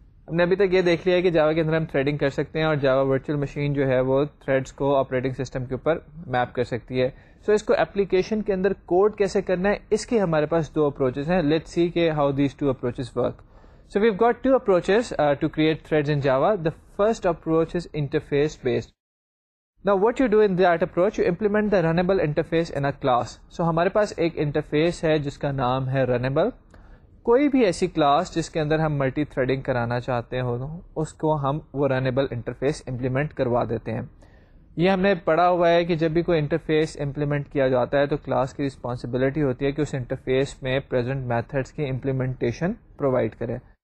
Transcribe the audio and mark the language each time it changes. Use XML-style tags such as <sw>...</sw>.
<ur>ہم نے ابھی تک یہ دیکھ لیا ہے کہ جاوا کے اندر ہم تھریڈنگ کر سکتے ہیں اور جاوا ورچوئل مشین جو ہے وہ تھریڈس کو آپریٹنگ سسٹم کے اوپر میپ کر سکتی ہے. سو اس کو اپلیکیشن کے اندر کوڈ کیسے کرنا ہے اس کے ہمارے پاس دو اپروچز ہیں.</ur> <en>Let see کہ how these two approaches work. So we have got two approaches to create threads in Java. The first approach is interface based. Now what you do in that approach, you implement the runnable interface in a class.</en> <ur>So ہمارے پاس ایک interface ہے جس کا نام ہے runnable. کوئی بھی ایسی class جس کے اندر ہم ملٹی تھریڈنگ کرانا چاہتے ہوں اس کو ہم وہ runnable interface implement کروا دیتے ہیں. یہ ہم نے پڑھا ہوا ہے کہ جب بھی کوئی انٹرفیس امپلیمنٹ کیا جاتا ہے تو کلاس کی رسپانسبلٹی ہوتی ہے کہ اس انٹرفیس میں پریزنٹ میتھڈس کی امپلیمنٹیشن پرووائڈ کرے.</ur>